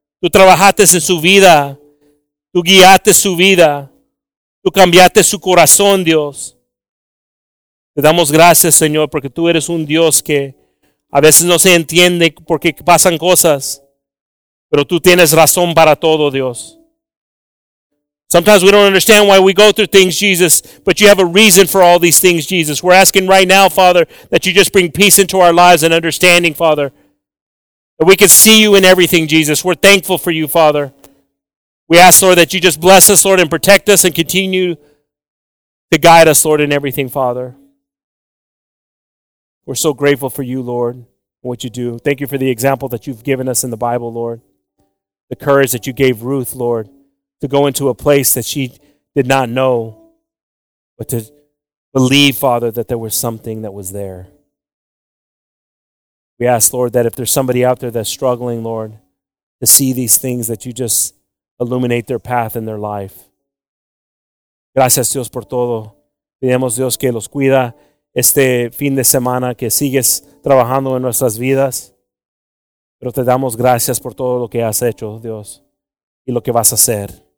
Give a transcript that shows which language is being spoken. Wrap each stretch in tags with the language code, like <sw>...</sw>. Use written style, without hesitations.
<es>Tú trabajaste en su vida. Tú guiaste su vida. Tú cambiaste su corazón, Dios. Te damos gracias, Señor, porque tú eres un Dios que a veces no se entiende porque pasan cosas. Pero tú tienes razón para todo, Dios.</es> <en>Sometimes we don't understand why we go through things, Jesus, but you have a reason for all these things, Jesus. We're asking right now, Father, that you just bring peace into our lives and understanding, Father, that we can see you in everything, Jesus. We're thankful for you, Father. We ask, Lord, that you just bless us, Lord, and protect us and continue to guide us, Lord, in everything, Father. We're so grateful for you, Lord, and what you do. Thank you for the example that you've given us in the Bible, Lord, the courage that you gave Ruth, Lord, to go into a place that she did not know, but to believe, Father, that there was something that was there. We ask, Lord, that if there's somebody out there that's struggling, Lord, to see these things, that you just illuminate their path in their life.</en> <es>Gracias, Dios, por todo. Pedimos, Dios, que los cuida este fin de semana, que sigues trabajando en nuestras vidas. Pero te damos gracias por todo lo que has hecho, Dios, y lo que vas a hacer.</es>